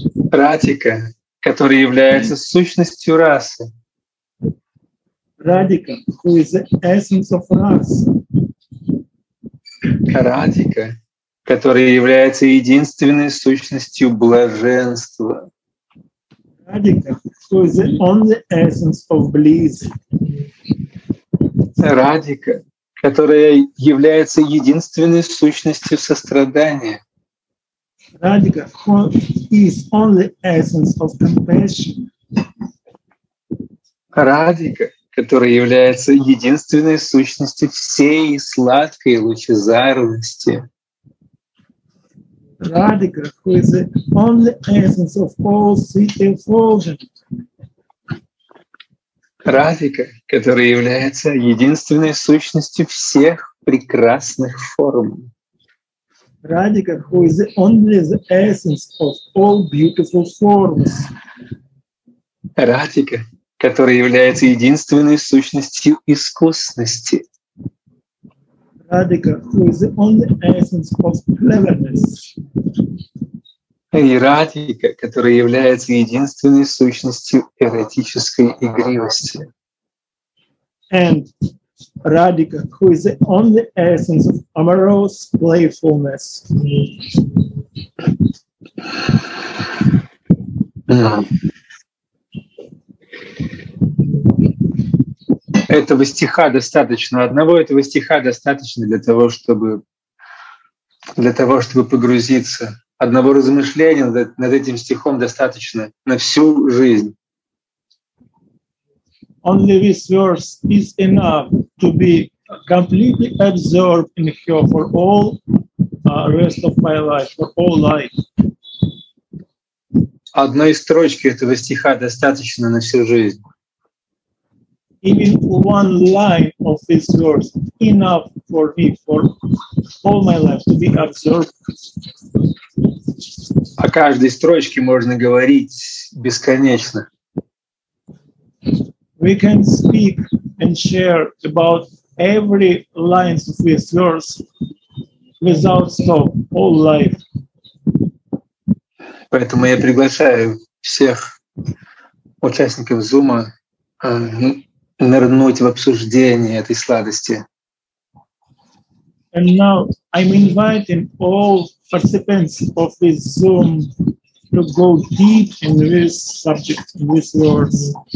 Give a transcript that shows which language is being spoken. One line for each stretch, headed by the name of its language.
Russian: Радика, который является сущностью расы.
English: Радика, who is the essence of race.
Russian: Радика, который является единственной сущностью блаженства.
English: Радика, who is the only essence of bliss.
Russian: Радика, которая является единственной сущностью сострадания.
English: Radhika, who is only essence of compassion.
Russian: Radhika, которая является единственной сущностью всей сладкой лучезарности.
English: Radhika, who is the only essence of all sweet effulgence.
Russian: Радика, которая является единственной сущностью всех прекрасных форм.
English: Радика, who is only the essence of all beautiful forms.
Russian: Радика, которая является единственной сущностью искусности.
English: Радика, who is only essence of cleverness.
Russian: И Радика, которая является единственной сущностью эротической игривости.
English: And Radhika, who is the only essence of amorous playfulness.
Russian: Этого стиха достаточно. Одного этого стиха достаточно для того, чтобы погрузиться. Одного размышления над этим стихом достаточно на всю жизнь.
English: Only this verse is enough to be completely absorbed in her for all rest of my life, for all life.
Russian: Одной строчки этого стиха достаточно на всю жизнь.
English: Even one line of this verse enough for me for all my life to be absorbed.
Russian: О каждой строчке можно говорить бесконечно.
English: We can speak and share about every line of this verse without stop all life.
Russian: Поэтому я приглашаю всех участников Zoom нырнуть в обсуждение этой сладости.
English: And now I'm inviting all participants of this Zoom to go deep in this subject, in this words.